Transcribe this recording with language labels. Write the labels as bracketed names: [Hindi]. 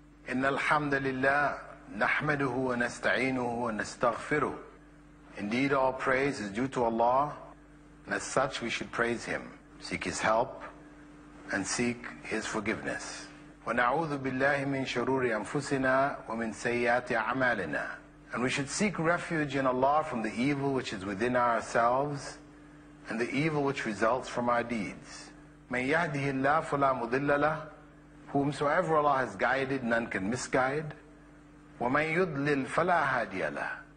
[Arabic] إن الحمد لله نحمده ونستعينه ونستغفره. [English] Indeed, all praise is due to Allah, and as such we should praise Him, seek His help, and seek His forgiveness. [Arabic] ونعوذ بالله من شرور أنفسنا ومن سيئات أعمالنا. [English] And we should seek refuge in Allah from the evil which is within ourselves, and the evil which results from our deeds. [Arabic] من يهده الله فلا مضل له. [English] Whomsoever Allah has guided, none can misguide. [Arabic] وَمَنْ يُضْلِلْ فَلَا هَادِيَ لَهُ.